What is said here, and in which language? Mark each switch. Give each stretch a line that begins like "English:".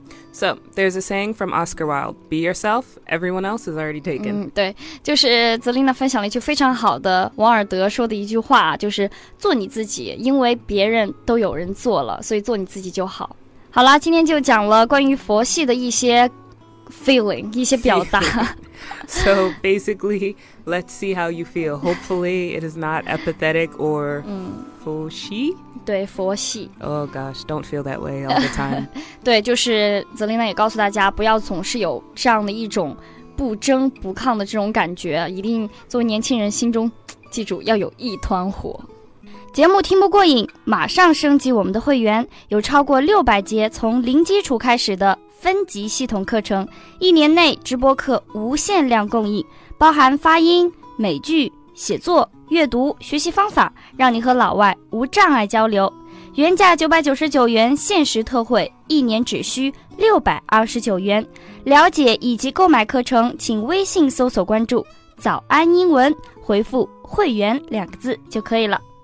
English: So there's a saying from Oscar Wilde Be yourself, everyone else is already taken、
Chinese: 对就是泽琳娜分享了一句非常好的王尔德说的一句话就是做你自己因为别人都有人做了所以做你自己就好好啦今天就讲了关于佛系的一些feeling 一些表达
English: So basically let's see how you feel hopefully it is not apathetic or 佛系
Chinese: 对佛系
English: Oh gosh don't feel that way all the time
Chinese: 对就是泽琳娜也告诉大家不要总是有这样的一种不争不抗的这种感觉一定作为年轻人心中记住要有一团火节目听不过瘾马上升级我们的会员有超过600节从零基础开始的分级系统课程一年内直播课无限量供应包含发音美剧写作阅读学习方法让你和老外无障碍交流原价999元限时特惠一年只需629元了解以及购买课程请微信搜索关注早安英文回复会员两个字就可以了